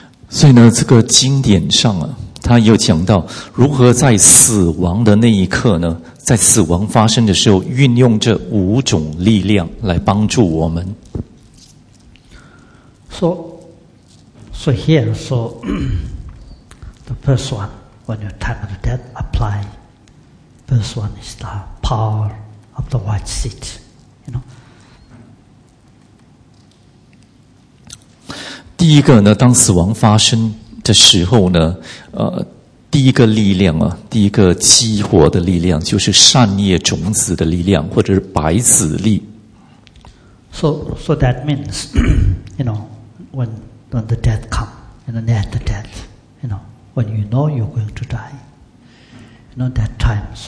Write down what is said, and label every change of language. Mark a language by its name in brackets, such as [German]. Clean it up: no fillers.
[Chinese] 所以呢，这个经典上啊，他也有讲到如何在死亡的那一刻呢，在死亡发生的时候，运用这五种力量来帮助我们。 [English] So here, so the first one, when you talk about death, apply. First one is the power of the white seat, you know. [Chinese] 第一个呢，当死亡发生的时候呢，第一个力量啊，第一个激活的力量就是善业种子的力量，或者是白子力。 [English] So that means, you know, when the death comes, you know, near the death, you know, when you know you're going to die, you know, that time.